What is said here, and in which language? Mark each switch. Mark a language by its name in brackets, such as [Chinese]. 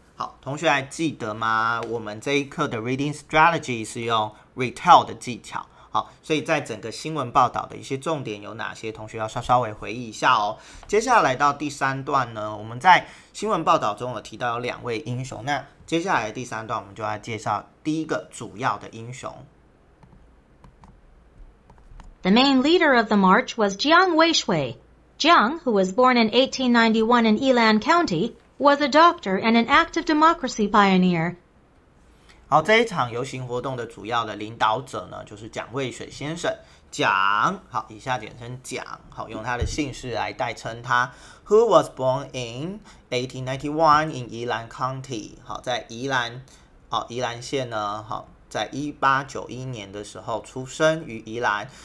[Chinese] 好，同学还记得吗？我们这一课的 reading strategy 是用 retell 的技巧。好，所以在整个新闻报道的一些重点有哪些，同学要稍微回忆一下哦。接下来到第三段呢，我们在新闻报道中有提到有两位英雄，那接下来第三段我们就来介绍第一个主要的英雄。 [English] The main leader of the march was Jiang Weishui. Jiang, who was born in 1891 in Yilan County, was a doctor and an active democracy pioneer. [Chinese] 好，这一场游行活动的主要的领导者呢，就是蒋渭水先生。蒋，好，以下简称蒋，好，用他的姓氏来代称他。 [English] Who was born in 1891 in Yilan County？ [Chinese] 好，在宜兰，好，宜兰县呢，好，在1891年的时候出生于宜兰。